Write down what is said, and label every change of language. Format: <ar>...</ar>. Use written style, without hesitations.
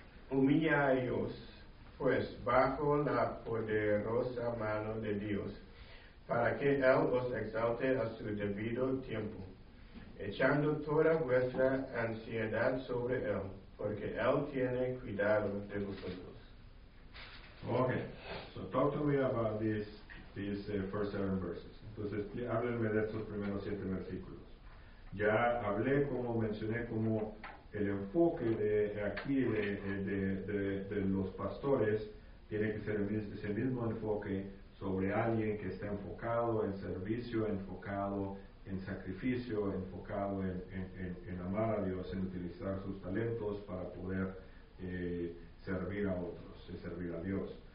<es>Humillaos, pues, bajo la poderosa mano de Dios, para que Él os exalte a su debido tiempo, echando toda vuestra ansiedad sobre Él, porque Él tiene cuidado de vosotros.</es> <en>Okay, so talk to me about these first seven verses.</en> <es>Entonces, háblenme de estos primeros siete versículos. Ya hablé, como mencioné, como el enfoque de aquí de los pastores tiene que ser ese mismo enfoque sobre alguien que está enfocado en servicio, enfocado en sacrificio, enfocado en amar a Dios, en utilizar sus talentos para poder servir a otros, servir a Dios.</es>